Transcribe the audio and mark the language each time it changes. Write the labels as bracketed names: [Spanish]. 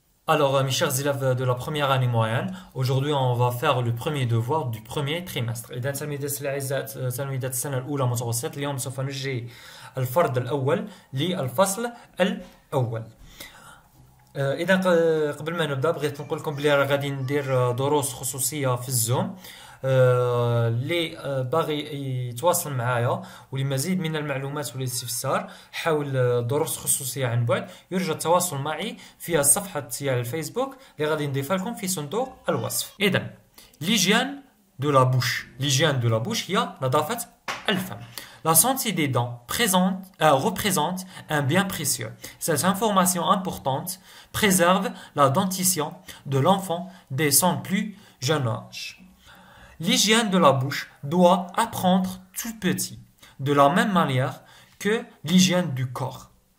[French] Alors, mes chers élèves de la première année moyenne, aujourd'hui on va faire le premier devoir du premier trimestre. [Arabic] إذا تلميذات الأعزاء تلميذات السنة الأولى متوسط اليوم سوف نجري الفرد الأول للفصل الأول. إذا قبل ما نبدأ بغيت نقول لكم بلي راه غادي ندير دروس خصوصية في الزوم. اللي باغي يتواصل معايا ولمزيد من المعلومات والاستفسار حول دروس خصوصية عن بعد يرجى التواصل معي في الصفحة على الفيسبوك اللي غادي نضيفها لكم في صندوق الوصف. إذا [French] ليجيان دو لا بوش، ليجيان دو لا بوش [Arabic] هي نظافة الفم. [French] La santé des dents présente, représente un bien précieux. Cette information importante préserve la dentition de l'enfant dès son plus jeune âge. L'hygiène de la bouche doit apprendre tout petit, de la même manière que l'hygiène du corps.